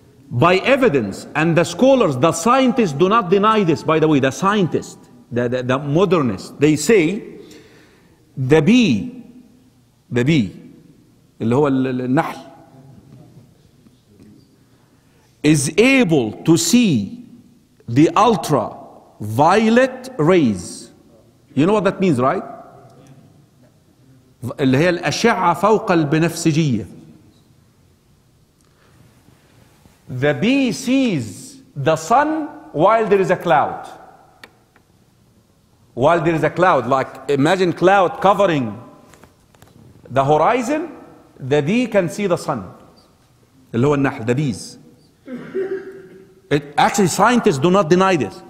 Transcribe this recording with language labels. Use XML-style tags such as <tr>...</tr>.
<en>By evidence, and the scholars, the scientists do not deny this, by the way, the scientists, the modernists, they say the bee,</en> <ar>اللي هو النحل,</ar> <en>is able to see the ultraviolet rays. You know what that means, right?</en> <ar>اللي هي الأشعة فوق البنفسجية.</ar> <en>The bee sees the sun while there is a cloud. While there is a cloud, like imagine cloud covering the horizon, the bee can see the sun. The bees. Actually, scientists do not deny this.</en>